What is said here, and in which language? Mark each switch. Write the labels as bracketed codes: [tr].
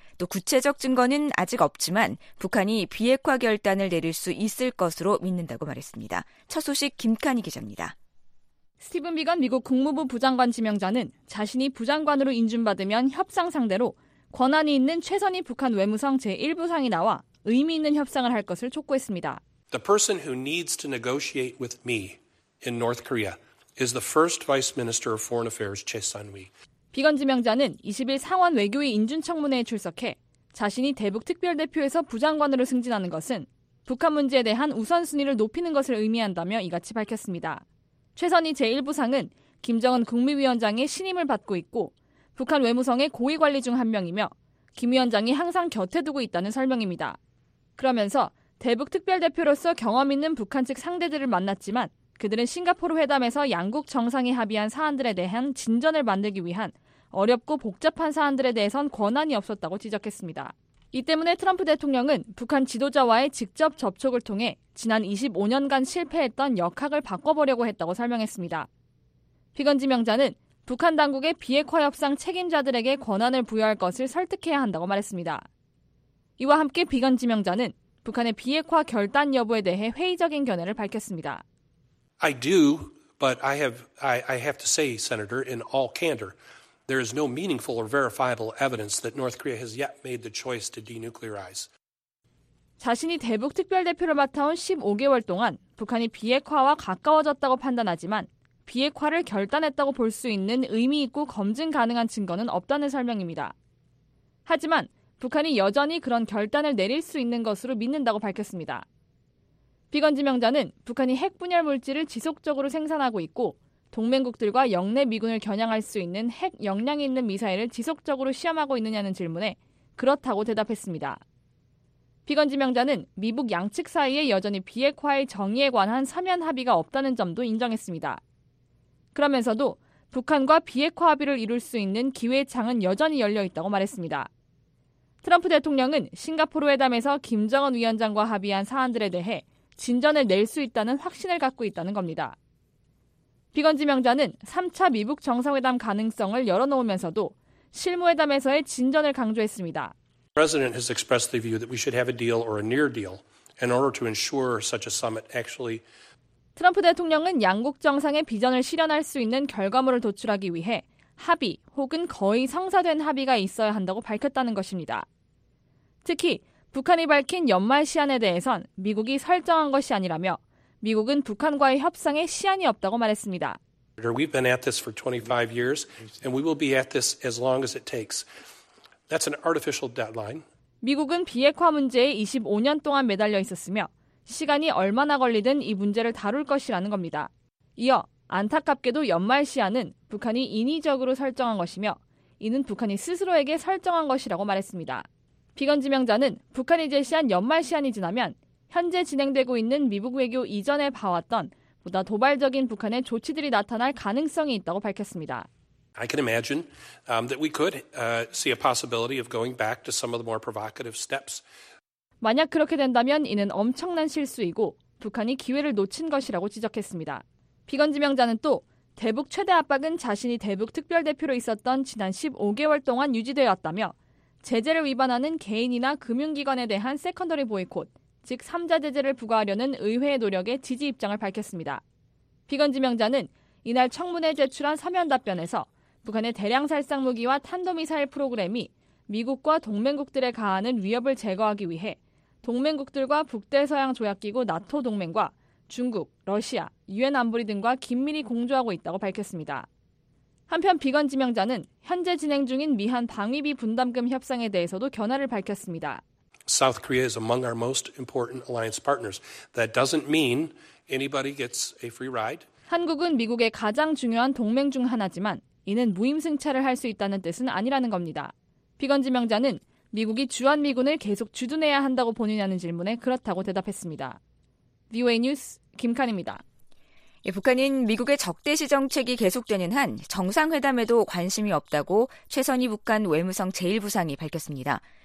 [ko] 또 구체적 증거는 아직 없지만 북한이 비핵화 결단을 내릴 수 있을 것으로 믿는다고 말했습니다. 첫 소식 김칸희 기자입니다. 스티븐 비건 미국 국무부 부장관 지명자는 자신이 부장관으로 인준받으면 협상 상대로 권한이 있는 최선희 북한 외무성 제1부상이 나와 의미 있는 협상을 할 것을 촉구했습니다. [en] The person who needs to negotiate with me in North Korea is the first Vice Minister of Foreign Affairs, Choi Sun-hui. [ko] 비건 지명자는 20일 상원 외교위 인준청문회에 출석해 자신이 대북특별대표에서 부장관으로 승진하는 것은 북한 문제에 대한 우선순위를 높이는 것을 의미한다며 이같이 밝혔습니다. 최선희 제1부상은 김정은 국무위원장의 신임을 받고 있고 북한 외무성의 고위관리 중 한 명이며 김 위원장이 항상 곁에 두고 있다는 설명입니다. 그러면서 대북특별대표로서 경험 있는 북한 측 상대들을 만났지만 그들은 싱가포르 회담에서 양국 정상이 합의한 사안들에 대한 진전을 만들기 위한 어렵고 복잡한 사안들에 대해선 권한이 없었다고 지적했습니다. 이 때문에 트럼프 대통령은 북한 지도자와의 직접 접촉을 통해 지난 25년간 실패했던 역학을 바꿔보려고 했다고 설명했습니다. 비건 지명자는 북한 당국의 비핵화 협상 책임자들에게 권한을 부여할 것을 설득해야 한다고 말했습니다. 이와 함께 비건 지명자는 북한의 비핵화 결단 여부에 대해 회의적인 견해를 밝혔습니다. [en] I do, but I have to say, Senator, in all candor, there is no meaningful or verifiable evidence that North Korea has yet made the choice to denuclearize. [ko] 자신이 대북 특별대표를 맡아온 15개월 동안 북한이 비핵화와 가까워졌다고 판단하지만 비핵화를 결단했다고 볼 수 있는 의미 있고 검증 가능한 증거는 없다는 설명입니다. 하지만 북한이 여전히 그런 결단을 내릴 수 있는 것으로 믿는다고 밝혔습니다. 비건 지명자는 북한이 핵분열 물질을 지속적으로 생산하고 있고 동맹국들과 영내 미군을 겨냥할 수 있는 핵 역량이 있는 미사일을 지속적으로 시험하고 있느냐는 질문에 그렇다고 대답했습니다. 비건 지명자는 미북 양측 사이에 여전히 비핵화의 정의에 관한 서면 합의가 없다는 점도 인정했습니다. 그러면서도 북한과 비핵화 합의를 이룰 수 있는 기회의 창은 여전히 열려있다고 말했습니다. 트럼프 대통령은 싱가포르 회담에서 김정은 위원장과 합의한 사안들에 대해 진전을 낼 수 있다는 확신을 갖고 있다는 겁니다. 비건 지명자는 3차 미북 정상회담 가능성을 열어놓으면서도 실무회담에서의 진전을 강조했습니다. [en] The president has expressed the view that we should have a deal or a near deal in order to ensure such a summit actually. [ko] 트럼프 대통령은 양국 정상의 비전을 실현할 수 있는 결과물을 도출하기 위해 합의 혹은 거의 성사된 합의가 있어야 한다고 밝혔다는 것입니다. 특히 북한이 밝힌 연말 시한에 대해선 미국이 설정한 것이 아니라며 미국은 북한과의 협상에 시한이 없다고 말했습니다. [en] We've been at this for 25 years and we will be at this as long as it takes. That's an artificial deadline. [ko] 미국은 비핵화 문제에 25년 동안 매달려 있었으며 시간이 얼마나 걸리든 이 문제를 다룰 것이라는 겁니다. 이어 안타깝게도 연말 시한은 북한이 인위적으로 설정한 것이며 이는 북한이 스스로에게 설정한 것이라고 말했습니다. 비건 지명자는 북한이 제시한 연말 시한이 지나면 현재 진행되고 있는 미국 외교 이전에 봐왔던 보다 도발적인 북한의 조치들이 나타날 가능성이 있다고 밝혔습니다. [en] I can imagine that we could see a possibility of going back to some of the more provocative steps. [ko] 만약 그렇게 된다면 이는 엄청난 실수이고 북한이 기회를 놓친 것이라고 지적했습니다. 비건 지명자는 또 대북 최대 압박은 자신이 대북 특별대표로 있었던 지난 15개월 동안 유지되었다며 제재를 위반하는 개인이나 금융기관에 대한 세컨더리 보이콧, 즉 3자 제재를 부과하려는 의회의 노력에 지지 입장을 밝혔습니다. 비건 지명자는 이날 청문회 제출한 서면 답변에서 북한의 대량살상무기와 탄도미사일 프로그램이 미국과 동맹국들에 가하는 위협을 제거하기 위해 동맹국들과 북대서양 조약기구 나토 동맹과 중국, 러시아, 유엔 안보리 등과 긴밀히 공조하고 있다고 밝혔습니다. 한편 비건 지명자는 현재 진행 중인 미한 방위비 분담금 협상에 대해서도 견해를 밝혔습니다. [en] South Korea is among our most important alliance partners. That doesn't mean anybody gets a free ride. [ko] 한국은 미국의 가장 중요한 동맹 중 하나지만 이는 무임승차를 할 수 있다는 뜻은 아니라는 겁니다. 비건 지명자는 미국이 주한미군을 계속 주둔해야 한다고 보느냐는 질문에 그렇다고 대답했습니다. VOA 뉴스 김칸입니다. 예, 북한은 미국의 적대시 정책이 계속되는 한 정상회담에도 관심이 없다고 최선희 북한 외무성 제1부상이 밝혔습니다.